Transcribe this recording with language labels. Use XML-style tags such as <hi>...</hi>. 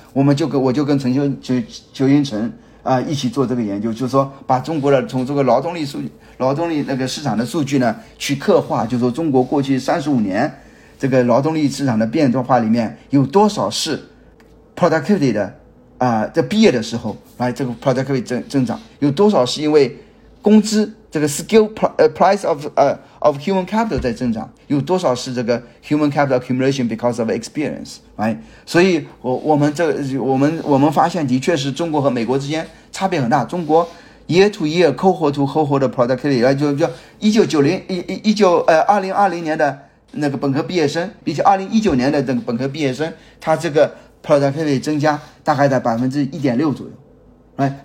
<zh>我就跟裘英成啊一起做这个研究，就是说把中国的从这个劳动力那个市场的数据呢去刻画，就是说中国过去35年这个劳动力市场的变化里面有多少是 productivity 的啊，在毕业的时候来这个 productivity 增长，有多少是因为工资？</zh> <en>这个 price of human capital</en> <zh>在增长，有多少是这个</zh> <en>human capital accumulation because of experience， right？</en> <zh>所以我们发现的确是中国和美国之间差别很大。中国</zh> <en>year to year cohort to cohort</en> <zh>的 productivity， 2020年的那个本科毕业生，比起2019年的这个本科毕业生，他这个 productivity 增加大概在1.6%左右， right？</zh>